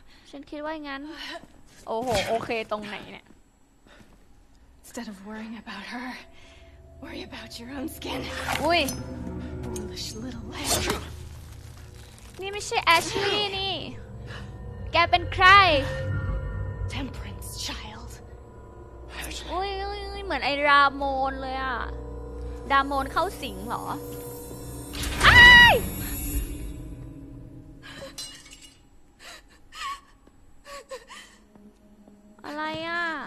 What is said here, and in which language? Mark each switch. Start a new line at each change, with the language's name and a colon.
Thai: ฉันคิดว่าอย่างนั้นโอ้โหโอเคตรงไหนเนี่ย
English: Instead of worrying about her, worry about your own skin.
Thai: อุ้ย
English: Foolish little lamb.
Thai: นี่ไม่ใช่ Ashley นี่แกเป็นใคร
English: Temperance Child
Thai: อุ้ยๆๆเหมือนไอ้รามอนเลยอ่ะดามอนเข้าสิงเหรอไออะไรอ่ะ